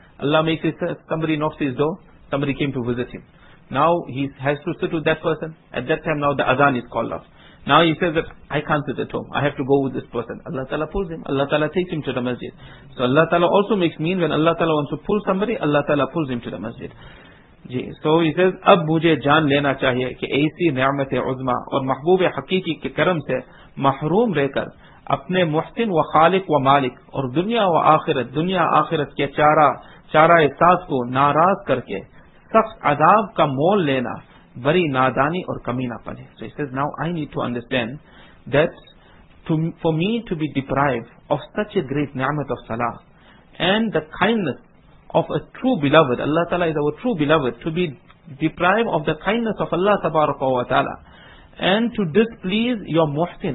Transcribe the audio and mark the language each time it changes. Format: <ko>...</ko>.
<en>Allah makes it, somebody knocks his door, somebody came to visit him. Now he has to sit with that person, at that time now the adhan is called off. Now he says that, I can't sit at home, I have to go with this person. Allah Ta'ala pulls him, Allah Ta'ala takes him to the masjid. So Allah Ta'ala also makes mean, when Allah Ta'ala wants to pull somebody, Allah Ta'ala pulls him to the masjid.</en> <ur>So he says, اب مجھے جان لینا چاہیے کہ ایسی نعمتِ عظمہ اور محبوبِ حقیقی کے کرم سے محروم رہ کر اپنے محسن و خالق و مالک اور دنیا و آخرت دنیا آخرت کے چارہ احساس کو ناراض کر کے سخت عذاب کا مول لینا بری نادانی اور کمینہ پنے.</ur> <en>So he says, now I need to understand that for me to be deprived of such a great ni'mat of salah and the kindness of a true beloved, Allah Ta'ala is our true beloved, to be deprived of the kindness of Allah Tabaraka wa Ta'ala and to displease your muhsin.</en>